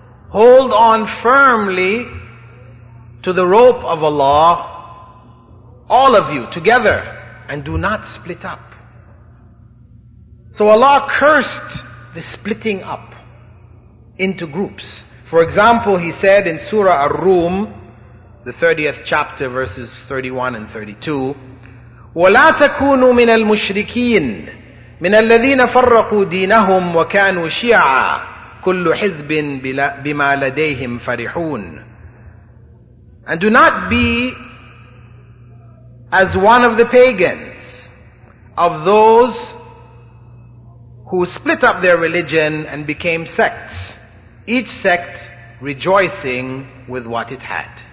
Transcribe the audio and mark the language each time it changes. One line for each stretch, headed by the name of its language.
English: Hold on firmly to the rope of Allah, all of you together, and do not split up. So Allah cursed the splitting up into groups. For example, He said in Surah Ar-Rum, the 30th chapter, verses 31 and 32,
Arabic: وَلَا تَكُونُوا مِنَ الْمُشْرِكِينَ مِنَ الَّذِينَ فَرَّقُوا دِينَهُمْ وَكَانُوا شِيَعًا كُلُّ حِزْبٍ بِمَا لَدَيْهِمْ فَرِحُونَ.
English: And do not be as one of the pagans, of those who split up their religion and became sects, each sect rejoicing with what it had.